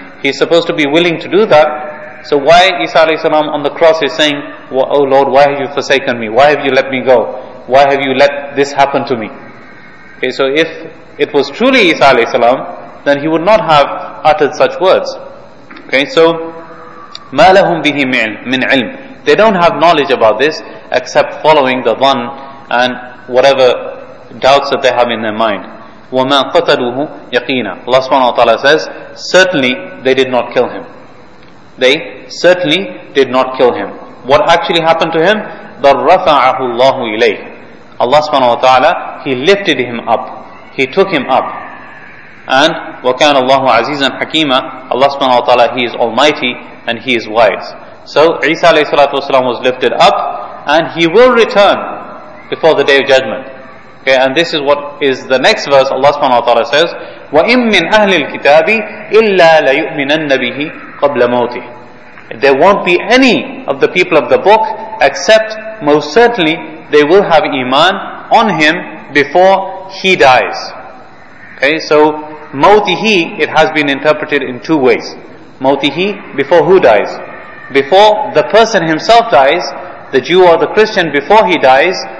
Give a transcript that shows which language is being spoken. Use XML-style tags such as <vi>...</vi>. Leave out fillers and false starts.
<en>He's supposed to be willing to do that. So why Isa alayhi salam on the cross is saying, "Oh Lord, why have you forsaken me? Why have you let me go? Why have you let this happen to me?" Okay, so if it was truly Isa alayhi salam, then he would not have uttered such words. Okay, so</en> <ar>مَا لَهُمْ بِهِ مِنْ عِلْمٍ.</ar> <en>They don't have knowledge about this except following the dhan and whatever doubts that they have in their mind.</en> <ar>وَمَا قَتَلُوهُ يَقِينًا.</ar> <en>Allah subhanahu wa ta'ala says, certainly they did not kill him. They certainly did not kill him. What actually happened to him?</en> <ar>ضَرَّفَعَهُ اللَّهُ إِلَيْهِ.</ar> <en>Allah subhanahu wa ta'ala, He lifted him up. He took him up. And</en> <ar>وَكَانَ اللَّهُ عَزِيزًا حَكِيمًا.</ar> <en>Allah subhanahu wa ta'ala, He is almighty and He is wise. So Isa alayhi salatu wasalam was lifted up, and he will return before the day of judgment. Okay, and this is what is the next verse. Allah subhanahu wa ta'ala says,</en> <ar>وَإِمْ مِنْ أَهْلِ الْكِتَابِ إِلَّا لَيُؤْمِنَنَّ بِهِ قَبْلَ مَوْتِهِ.</ar> <en>There won't be any of the people of the book, except most certainly they will have iman on him before he dies. Okay, so مَوْتِهِ, it has been interpreted in two ways. مَوْتِهِ, before who dies? Before the person himself dies, the Jew or the Christian, before he dies.</en>